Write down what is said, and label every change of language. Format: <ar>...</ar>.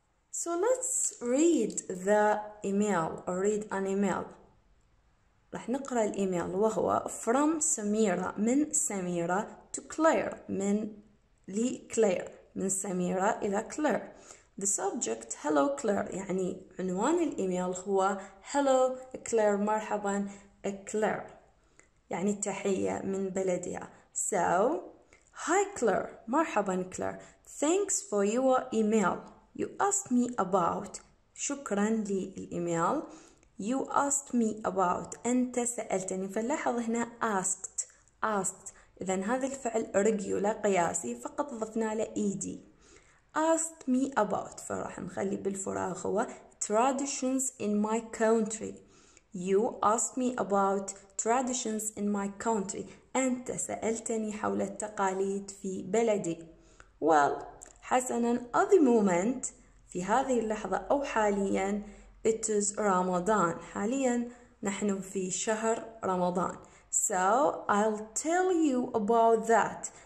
<en>So let's read the email or read an email.</en> <ar>رح نقرأ الإيميل وهو</ar> <en>from Samira,</en> <ar>من سميرة to Claire, من لي Claire, من سميرة إلى Claire.</ar> <en>The subject, hello Claire,</en> <ar>يعني عنوان الإيميل هو hello Claire, مرحبا Claire, يعني التحية من بلدها. So,</ar> <en>Hi Claire, مرحبا Claire. Thanks for your email. You asked me about.</en> <ar>شكرا للإيميل.</ar> <en>You asked me about.</en> <ar>أنت سألتني. فلاحظ هنا</ar> <en>asked. Asked.</en> <ar>إذن هذا الفعل regular قياسي فقط ضفنا له ed.</ar> <en>Asked me about.</en> <ar>فراح نخلي بالفراغ هو</ar> <en>traditions in my country. You asked me about traditions in my country.</en> <ar>أنت سألتني حول التقاليد في بلدي.</ar> <en>Well, حسناً, at the moment,</en> <ar>في هذه اللحظة أو حالياً,</ar> <en>it is Ramadan.</en> <ar>حالياً نحن في شهر رمضان.</ar> <en>So, I'll tell you about that.</en>